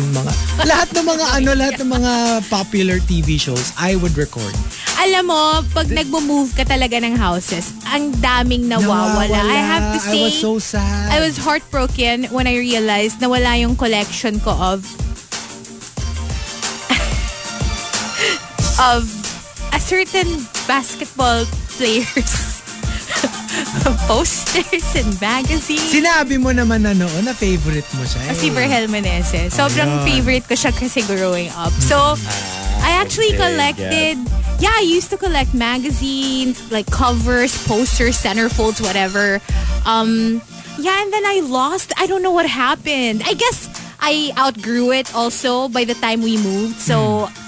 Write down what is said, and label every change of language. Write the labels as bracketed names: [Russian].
[Filipino] Mga, lahat ng mga ano, lahat ng mga popular TV shows, [English] I would record. [Filipino] Alam mo, pag nagmo-move ka talaga ng houses, ang daming nawawala. [English] I have to say, I was so sad. I was heartbroken when I realized [Filipino] nawala yung collection ko [English] of of a certain basketball players. Posters and magazines. [Filipino] Sinabi mo naman na noon na favorite mo siya. Si Virgel Meneses. Sobrang favorite ko siya kasi growing up. [English] So, I actually collected... Yeah, I used to collect magazines, like covers, posters, centerfolds, whatever. Yeah, and then I lost. I don't know what happened. I guess I outgrew it also by the time we moved. So...